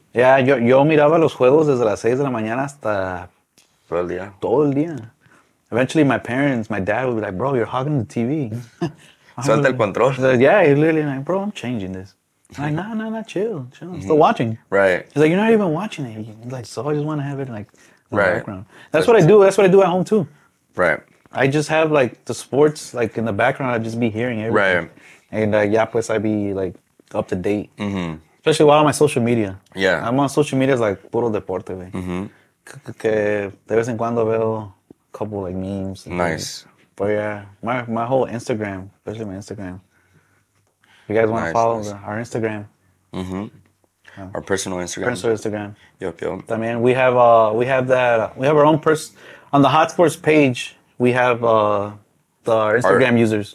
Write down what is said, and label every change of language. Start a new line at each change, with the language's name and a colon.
Spanish: Yeah, yo miraba los juegos desde las 6 de la mañana hasta... Todo el día.
English: Eventually, my parents, my dad would be like, bro, you're hogging the TV.
Spanish: Suelta el control.
English: So, yeah, he's literally like, bro, I'm changing this. I'm like, nah, chill. Mm-hmm. Still watching. Right. He's like, you're not even watching it. He's like, so I just want to have it like in the background. That's what I do at home, too. Right. I just have like the sports like in the background. I just be hearing everything. Right. And plus I be like up to date. Mm-hmm. Especially while on my social media. Yeah. I'm on social media, it's like
Spanish: puro deporte.
English: Mm-hmm.
Spanish: Que de vez en cuando veo a
English: couple like memes. Nice. But yeah, my whole Instagram, especially my Instagram. If you guys want to follow our Instagram. Mm-hmm. Our personal Instagram. Yup. I mean, we have our own on the Hot Sports page, we have our Instagram users.